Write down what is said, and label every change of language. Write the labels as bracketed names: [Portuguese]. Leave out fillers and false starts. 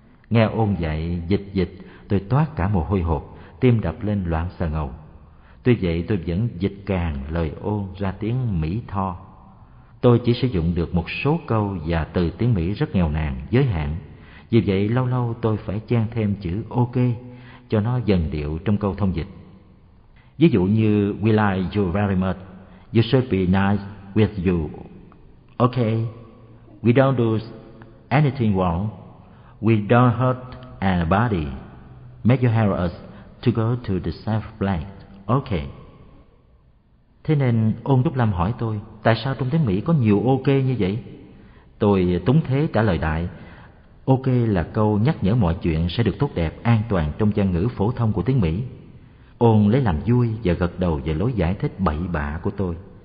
[Vietnamese] Nghe Ôn dạy dịch, tôi toát cả mồ hôi hột, tim đập lên loạn xà ngầu. Tuy vậy tôi vẫn dịch càng lời Ôn ra tiếng Mỹ tho. Tôi chỉ sử dụng được một số câu và từ tiếng Mỹ rất nghèo nàn, giới hạn. Vì vậy lâu lâu tôi phải chen thêm chữ OK cho nó dần điệu trong câu thông dịch. Ví dụ như [English] "We like you very much. You should be nice with you. Okay. We don't do anything wrong. We don't hurt anybody. May you help us to go to the safe place. Okay." [Vietnamese] Thế nên Ôn Trúc Lâm hỏi tôi, "Tại sao trong tiếng Mỹ có nhiều OK như vậy?" Tôi túng thế trả lời đại, "OK là câu nhắc nhở mọi chuyện sẽ được tốt đẹp, an toàn trong văn ngữ phổ thông của tiếng Mỹ." Ôn lấy làm vui và gật đầu về lối giải thích bậy bạ của tôi.